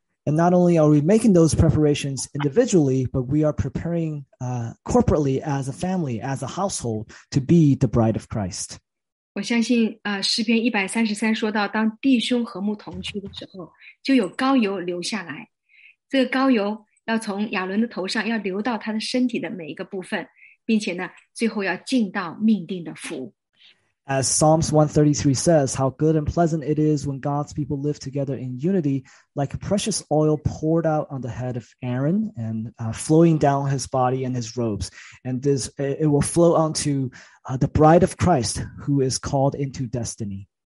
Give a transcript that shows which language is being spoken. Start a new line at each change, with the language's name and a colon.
English: And not only are we making those preparations individually, but we are preparing corporately as a family, as a household, to be the bride of Christ.
Chinese: 我相信, 诗篇 133说到, 当弟兄和睦同居的时候, 就有膏油流下来, 这个膏油要从亚伦的头上, 要流到他的身体的每一个部分, 并且呢, 最后要进到命定的服。
English: As Psalms 133 says, how good and pleasant it is when God's people live together in unity, like precious oil poured out on the head of Aaron and flowing down his body and his robes. And this it will flow onto the bride of Christ who is called into destiny.